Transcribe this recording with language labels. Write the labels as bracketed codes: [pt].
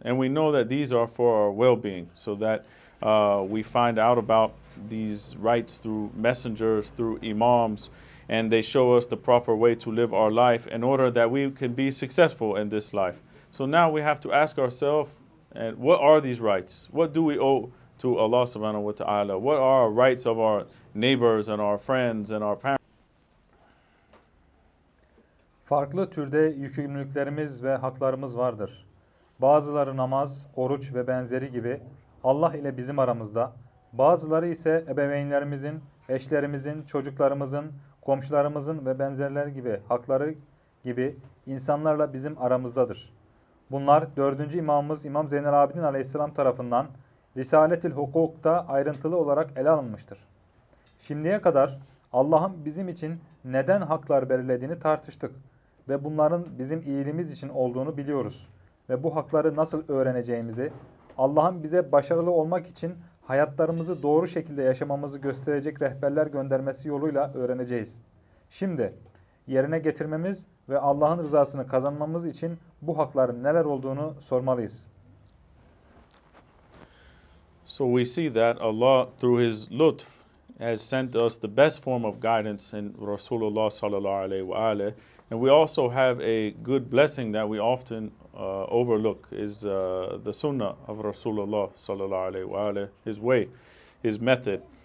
[en] And we know that these are for our well-being, so that we find out about these rights through messengers, through imams, and they show us the proper way to live our life in order that we can be successful in this life. So now we have to ask ourselves, and what are these rights? What do we owe to Allah subhanahu wa ta'ala? What are our rights of our neighbors and our friends and our parents? [tr] Farklı türde yükümlülüklerimiz ve haklarımız vardır. Bazıları namaz, oruç ve benzeri gibi Allah ile bizim aramızda. Bazıları ise ebeveynlerimizin, eşlerimizin, çocuklarımızın, komşularımızın ve benzerleri gibi hakları gibi insanlarla bizim aramızdadır. Bunlar 4. imamımız İmam Zeynel Abidin Aleyhisselam tarafından Risaletil Hukuk'ta ayrıntılı olarak ele alınmıştır. Şimdiye kadar Allah'ın bizim için neden haklar belirlediğini tartıştık ve bunların bizim iyiliğimiz için olduğunu biliyoruz ve bu hakları nasıl öğreneceğimizi, Allah'ın bize başarılı olmak için hayatlarımızı doğru şekilde yaşamamızı gösterecek rehberler göndermesi yoluyla öğreneceğiz. Şimdi yerine getirmemiz ve Allah'ın rızasını kazanmamız için bu hakların neler olduğunu sormalıyız. [en] So we see that Allah, through His lutf, has sent us the best form of guidance in Rasulullah sallallahu alayhi wa alayhi. And we also have a good blessing that we often overlook is the sunnah of Rasulullah sallallahu alayhi wa alayhi, his way, his method.